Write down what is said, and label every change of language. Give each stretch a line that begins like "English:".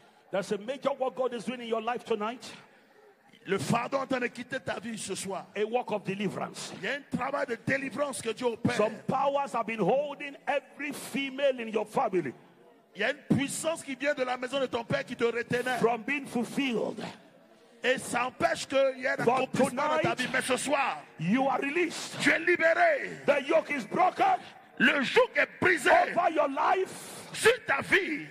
English: That's a major work God is doing in your life tonight.
French: Le fardeau est en train de quitter ta vie ce soir.
English: A work of deliverance.
French: Il y a un travail de délivrance que Dieu opère.
English: Some powers have been holding every female in your family.
French: Il y a une puissance qui vient de la maison de ton père qui te retenait.
English: From being fulfilled.
French: Et ça empêche qu'il y ait un accomplissement
English: tonight,
French: dans ta vie. Mais ce soir,
English: you are released.
French: Tu es libéré.
English: The yoke is broken.
French: Le joug est brisé.
English: Over your life.
French: Sur ta vie.